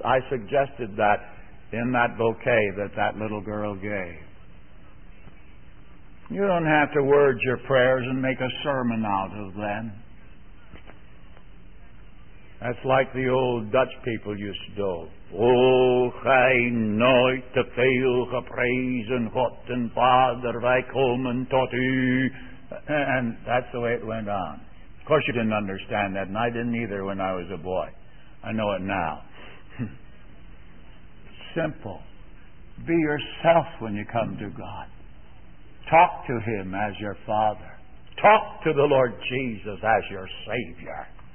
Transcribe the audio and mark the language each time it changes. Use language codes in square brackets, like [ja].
[en] I suggested that in that bouquet that little girl gave. You don't have to word your prayers and make a sermon out of them. That's like the old Dutch people used to do. [nl] O gij nooit te veel geprezen God en Vader, wij komen tot u. [en] And that's the way it went on. Of course you didn't understand that, and I didn't either when I was a boy. I know it now. Simple. Be yourself when you come to God. Talk to him as your Father. Talk to the Lord Jesus as your Savior.